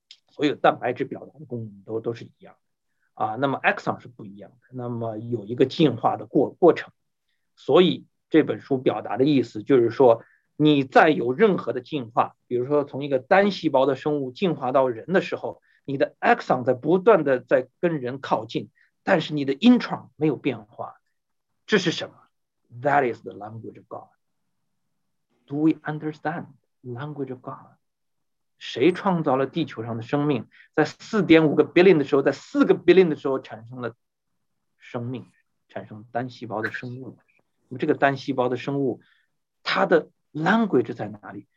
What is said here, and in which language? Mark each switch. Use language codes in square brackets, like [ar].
[zh] 所有蛋白质表达的功能都是一样的啊，那么 exon 是不一样的，那么有一个进化的过程，所以这本书表达的意思就是说，你再有任何的进化，比如说从一个单细胞的生物进化到人的时候，你的 exon 在不断的在跟人靠近，但是你的 intron 没有变化，这是什么？ [en] That is the language of God. Do we understand language of God? [zh] 谁创造了地球上的生命？在 4.5 个 billion 的时候，在4个 billion 的时候产生了生命，产生单细胞的生物。这个单细胞的生物，它的 language 在哪里？